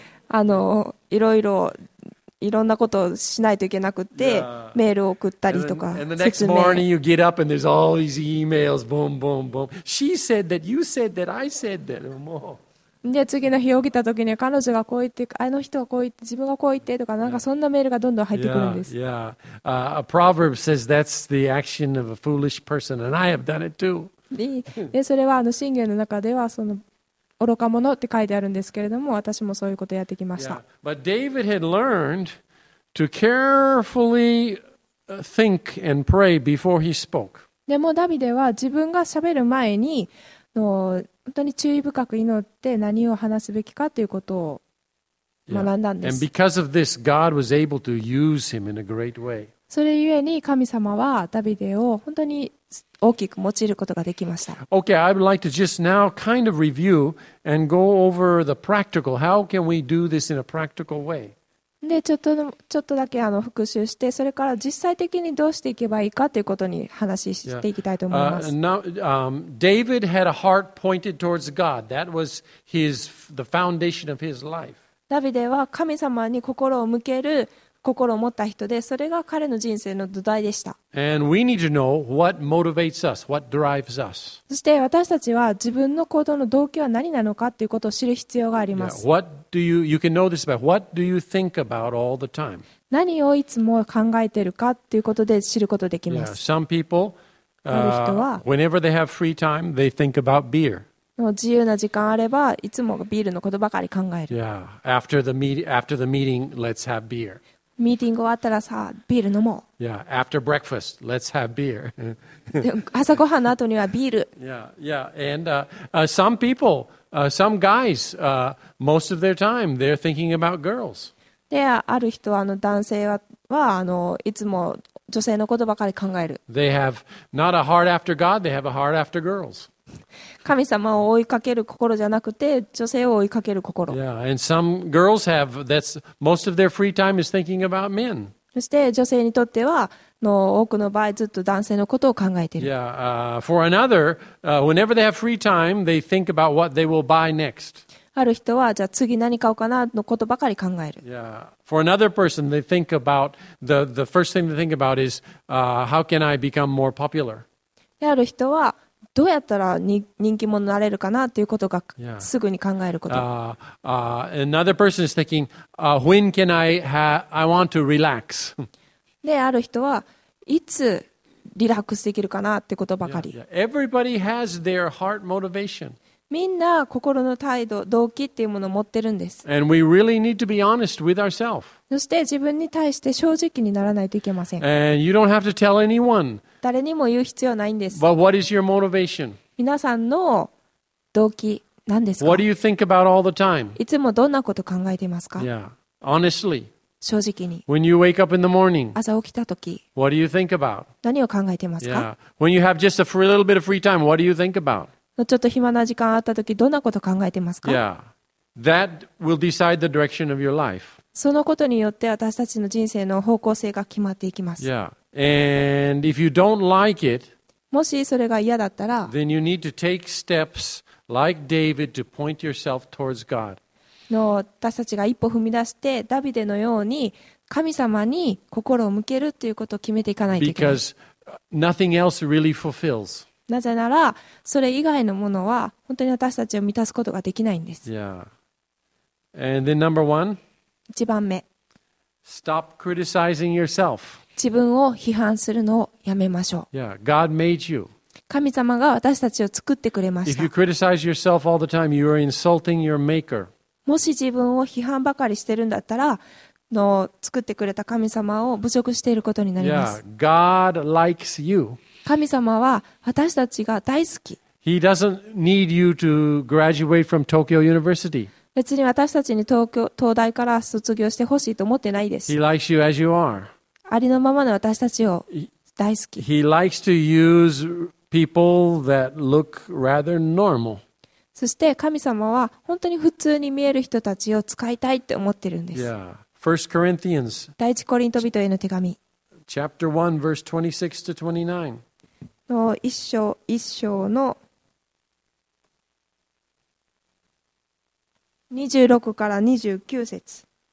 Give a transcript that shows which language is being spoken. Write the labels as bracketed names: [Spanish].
[Japanese] あのいろいろいろんなことをしないといけなくて、メールを送ったりとか、 [English] And the next morning you get up and there's all these emails, boom, boom, boom. She said that, you said that, I said that. [Japanese] もう。で次の日起きた時には彼女がこう言って、あの人がこう言って、自分がこう言ってとか、なんかそんなメールがどんどん入ってくるんです。 [English] A proverb says that's the action of a foolish person, and I have done it too. [Japanese] でそれはあの箴言の中ではその愚か者って書いてあるんですけれども、私もそういうことをやってきました。 [English] But David had learned to carefully think and pray before he spoke. [Japanese] でもダビデは自分が喋る前に。本当に注意深く祈って何を話すべきかということを学んだんです。 [English] And because of this, God was able to use him in a great way. [Japanese] それゆえに神様はダビデを本当に大きく用いることができました。 [English] Okay, I would like to just now kind of review and go over the practical. How can we do this in a practical way? [Japanese] で、ちょっとだけあの復習して、それから実際的にどうしていけばいいかということに話していきたいと思います。 [English] David had a heart pointed towards God. That was the foundation of his life. [Japanese] ダビデは神様に心を向ける心を持った人で、それが彼の人生の土台でした。 [English] And we need to know what motivates us, what drives us. [Japanese] そして私たちは自分の行動の動機は何なのかということを知る必要があります。 Yeah. [English] What do you can know this about? What do you think about all the time? [Japanese] 何をいつも考えているかということで知ることができます。 [English] Yeah. Some people, whenever they have free time, they think about beer. [Japanese] 自由な時間あれば、いつもビールのことばかり考える。 Yeah. [English] After the meeting, let's have beer. [Japanese] ミーティング終わったらさ、ビール飲もう。 Yeah. [English] After breakfast, let's have beer. [Japanese] 朝ごはんの後にはビール。 Yeah. [English] And some people, some guys, most of their time, they're thinking about girls. [Japanese] で、ある人は男性はいつも女性のことばかり考える。 [English] They have not a heart after God. They have a heart after girls. [Japanese] 神様を追いかける心じゃなくて、女性を追いかける心。 [English] Yeah, and some girls have that's most of their free time is thinking about men. [Japanese] そして女性にとっては、多くの場合ずっと男性のことを考えている。 [English] Yeah, for another, whenever they have free time, they think about what they will buy next. [Japanese] ある人はじゃあ次何買おうかなのことばかり考える。 [English] Yeah, for another person, they think about the first thing they think about is how can I become more popular. [Japanese] ある人はどうやったら人気者になれるかなということがすぐに考えること。 [English] Another person is thinking, when can I want to relax? [Japanese] で、ある人はいつリラックスできるかなということばかり。 [English] Everybody has their heart motivation. [Japanese] みんな心の態度、動機っていうものを持ってるんです。 [English] And we really need to be honest with ourselves. [Japanese] そして自分に対して正直にならないといけません。 [English] And you don't have to tell anyone. [Japanese] 誰にも言う必要ないんです。 [English] But what is your motivation? [Japanese] 皆さんの動機何ですか? [English] What do you think about all the time? [Japanese] いつもどんなこと考えていますか? [English] Yeah. Honestly. [Japanese] 正直に。 [English] When you wake up in the morning. [Japanese] 朝起きた時。 [English] What do you think about? [Japanese] 何を考えていますか? Yeah. [English] When you have just a little bit of free time, what do you think about? [Japanese] ちょっと暇な時間あった時、どんなこと考えていますか? Yeah. [English] That will decide the direction of your life. [Japanese] そのことによって私たちの人生の方向性が決まっていきます。 [English] Yeah. And if you don't like it, [Japanese] もしそれが嫌だったら、 [English] then you need to take steps like David to point yourself towards God. [Japanese] の私たちが一歩踏み出して、ダビデのように神様に心を向けるということを決めていかないといけない。 [English] Because nothing else really fulfills. [Japanese] なぜなら、それ以外のものは本当に私たちを満たすことができないんです。 [English] Yeah. And then number one. [Japanese] 一番目。 [English] Stop criticizing yourself. [Japanese] 自分を批判するのをやめましょう。 [English] Yeah, God made you. [Japanese] 神様が私たちを作ってくれました。 [English] If you criticize yourself all the time, you are insulting your maker. [Japanese] もし自分を批判ばかりしてるんだったら、の作ってくれた神様を侮辱していることになります。 [English] Yeah, God likes you. [Japanese] 神様は私たちが大好き。 [English] He doesn't need you to graduate from Tokyo University. [Japanese] 別に私たちに東大から卒業してほしいと思ってないです。 [English] He likes you as you are. [Japanese] ありのままの私たちを大好き。 [English] He likes to use people that look rather normal. [Japanese] そして神様は本当に普通に見える人たちを使いたいって思ってるんです。 [English] Yeah. First Corinthians. [Japanese] 第一コリント人への手紙。 [English] Chapter 1, verse 26 to 29. [Japanese] の一章の26から29節。